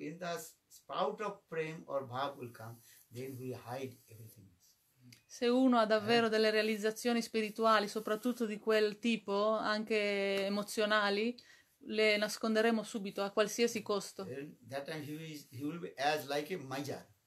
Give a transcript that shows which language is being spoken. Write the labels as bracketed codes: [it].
[en] In the spout of prem or bhava will come, then we hide everything. [it] Se uno ha davvero delle realizzazioni spirituali, soprattutto di quel tipo, anche emozionali, le nasconderemo subito a qualsiasi costo. [en] That time he will be as like a major.